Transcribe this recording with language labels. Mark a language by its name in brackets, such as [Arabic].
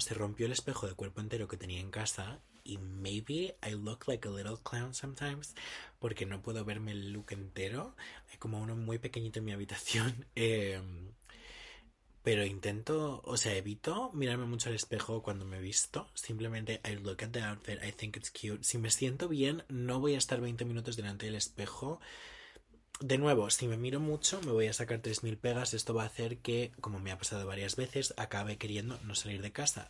[Spanish] Se rompió el espejo de cuerpo entero que tenía en casa. Y [English] maybe I look like a little clown sometimes, [Spanish] porque no puedo verme el look entero. Hay como uno muy pequeñito en mi habitación. Pero intento, o sea, evito mirarme mucho al espejo cuando me visto. Simplemente, [English] I look at the outfit, I think it's cute. [Spanish] Si me siento bien, no voy a estar 20 minutos delante del espejo. De nuevo, si me miro mucho, me voy a sacar 3.000 pegas. Esto va a hacer que, como me ha pasado varias veces, acabe queriendo no salir de casa.